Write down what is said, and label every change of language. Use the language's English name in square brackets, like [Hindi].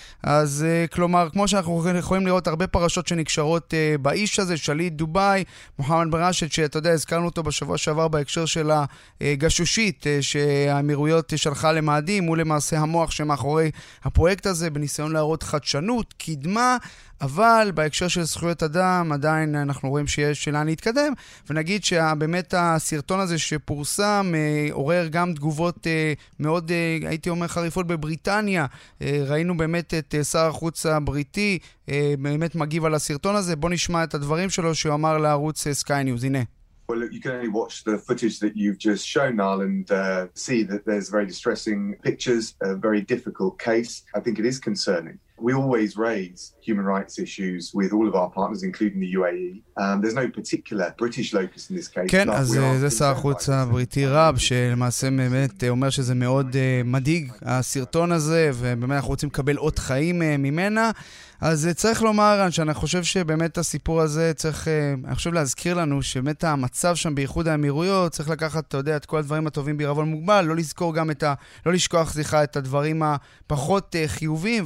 [Hebrew] אז כלומר, כמו שאנחנו יכולים לראות, הרבה פרשות שנקשרות באיש הזה, שלי דובאי, מוחמד בן רשת, שאתה יודע, הזכרנו אותו בשבוע שעבר בהקשר של גשושית שהאמירויות שלחה למאדים, הוא למעשה המוח שמאחורי הפרויקט הזה, בניסיון להראות חדשנות, קדמה, אבל בהקשר של זכויות אדם, עדיין אנחנו רואים שיש לאן להתקדם, ונגיד שבאמת הסרטון הזה שפורסם, עורר גם תגובות מאוד, הייתי אומר, חריפות בבריטניה. ראינו באמת את שר החוץ הבריטי, באמת מגיב על הסרטון הזה. בוא נשמע את הדברים שלו שהוא אמר לערוץ Sky News, הנה. [English] Well, look, you can only watch the footage that you've just shown, Niall, and see that there's very distressing pictures, a very difficult case. I think it is concerning. We always raise human rights issues with all of our partners, including the UAE. There's no particular British locus in this case. [Hebrew] כן, אז זה שר החוץ הבריטי רב, שלמעשה באמת אומר שזה מאוד מדהיג, הסרטון הזה, ובאמת אנחנו רוצים לקבל עוד חיים ממנה. אז צריך לומר שאני חושב שבאמת הסיפור הזה צריך, אני חושב, להזכיר לנו שבאמת המצב שם באיחוד האמירויות, צריך לקחת, אתה יודע, את כל הדברים הטובים בעירבון מוגבל, לא לשכוח, סליחה, את הדברים הפחות חיוביים.